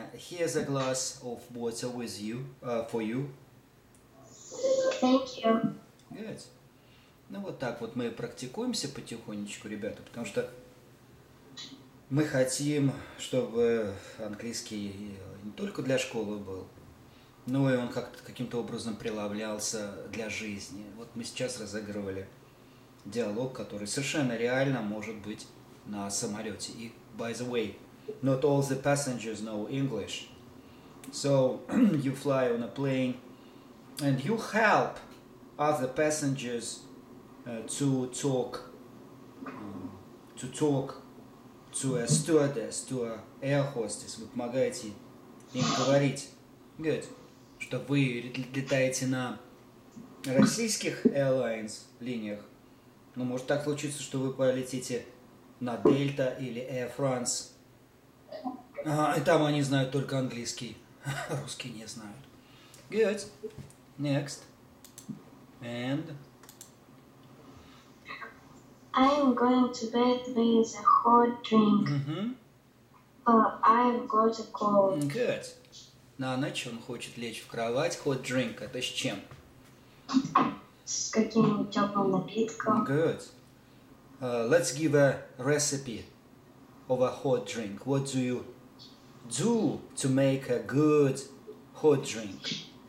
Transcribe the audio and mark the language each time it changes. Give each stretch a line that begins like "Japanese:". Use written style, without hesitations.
English: Here's a glass of water with you, for you. Thank you. Good.
Russian: Ну вот так вот мы практикуемся потихонечку, ребята, потому что мы хотим, чтобы английский не только для школы был, но и он как-то каким-то образом прилавлялся для жизни. Вот мы сейчас разыгрывали диалог, который совершенно реально может быть на самолете.
English: И, by the way, not all the passengers know English. So, you fly on a plane and you help other passengers to talk to a stewardess, to a air hostess.
Russian: Вы помогаете им говорить.
English: Good.
Russian: Что вы летаете на российских airlines линиях. Но может так случиться, что вы полетите на Delta или Air France. И там они знают только английский. Русский не знают.
English: Good. Next. And... I'm going to bed with a hot drink. I've got a cold. Good.
Russian: На ночь он хочет лечь в кровать.
English: Hot drink.
Russian: Это с чем? С каким-нибудь теплым напитком.
English: Good. Let's give a recipe of a hot drink. What do you do to make a good hot drink?